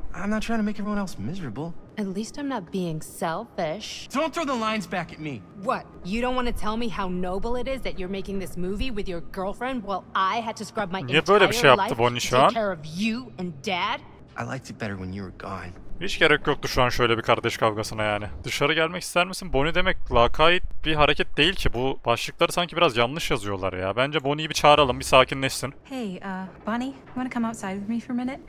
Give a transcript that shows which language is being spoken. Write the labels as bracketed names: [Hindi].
[English] I'm not trying to make everyone else miserable. At least I'm not being selfish. Don't throw the lines back at me. What? You don't want to tell me how noble it is that you're making this movie with your girlfriend while I had to scrub my [Turkish] Niye [English] entire [Turkish] şey [English] life to take care of you and dad? I liked it better when you were gone. [Turkish] Hiç gerek yoktu şu an şöyle bir kardeş kavgasına yani. Dışarı gelmek ister misin? Bonnie demek lakayt bir hareket değil ki. Bu başlıkları sanki biraz yanlış yazıyorlar ya. Bence Bonnie'yi bir çağıralım, bir sakinleşsin. [English] Hey, Bonnie, you wanna come outside with me for a minute?